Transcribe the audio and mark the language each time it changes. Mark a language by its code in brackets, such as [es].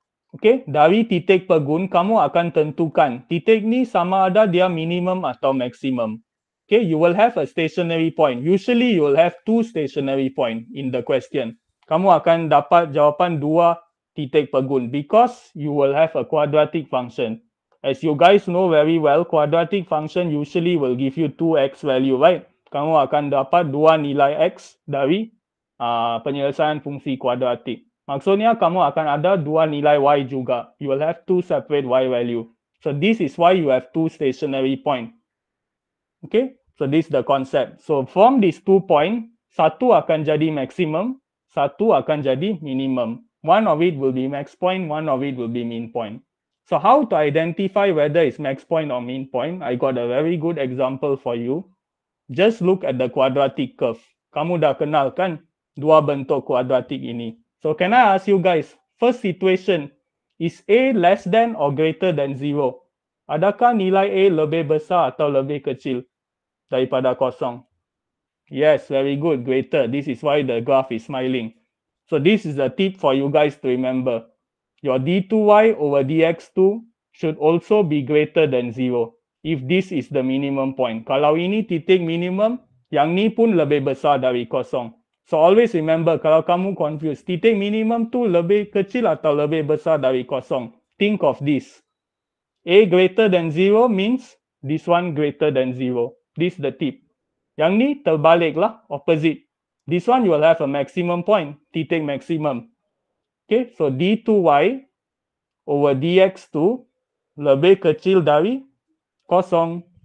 [ms] Okay, dari titik pegun, kamu akan tentukan titik ni sama ada dia minimum atau maximum. [en] Okay, you will have a stationary point. Usually, you will have two stationary point in the question. [ms] Kamu akan dapat jawapan dua titik pegun [en] because you will have a quadratic function. As you guys know very well, quadratic function usually will give you 2x value, right? [ms] Kamu akan dapat dua nilai x dari penyelesaian fungsi kuadratik. Maksudnya kamu akan ada dua nilai y juga. [en] You will have two separate y value. So this is why you have two stationary point. Okay? So this is the concept. So from these two point, [ms] satu akan jadi maximum, satu akan jadi minimum. [en] One of it will be max point, one of it will be min point. So how to identify whether it's max point or min point? I got a very good example for you. Just look at the quadratic curve. [ms] Kamu dah kenal kan? Dua bentuk kuadratik ini. [en] So can I ask you guys, first situation, is A less than or greater than 0? [ms] Adakah nilai A lebih besar atau lebih kecil daripada kosong? [en] Yes, very good, greater. This is why the graph is smiling. So this is a tip for you guys to remember. Your d2y over dx2 should also be greater than 0 if this is the minimum point. [ms] Kalau ini titik minimum, yang ni pun lebih besar dari kosong. [en] So always remember, [ms] kalau kamu confused, titik minimum tu lebih kecil atau lebih besar dari kosong. [en] Think of this. A greater than 0 means this one greater than 0. This the tip. [ms] Yang ni terbalik lah, [en] opposite. This one you will have a maximum point, [ms] titik maximum. Okay, so d2y over dx2 lebih kecil dari kosong.